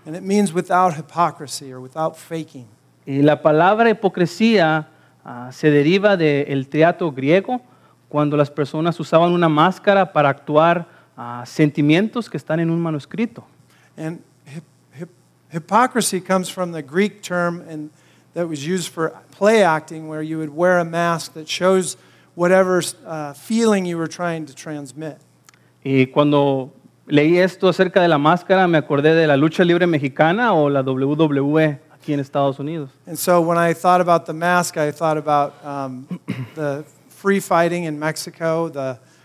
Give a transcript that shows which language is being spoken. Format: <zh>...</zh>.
<en>And it means without hypocrisy or without faking.</en> <es>Y la palabra hipocresía se deriva del teatro griego, cuando las personas usaban una máscara para actuar sentimientos que están en un manuscrito.</es> <en>And hypocrisy comes from the Greek term and that was used for play acting, where you would wear a mask that shows whatever feeling you were trying to transmit.</en> <es>Y cuando leí esto acerca de la máscara, me acordé de la lucha libre mexicana o la WWE aquí en Estados Unidos.</es> <en>And so when I thought about the mask, I thought about the free fighting in Mexico, the</en>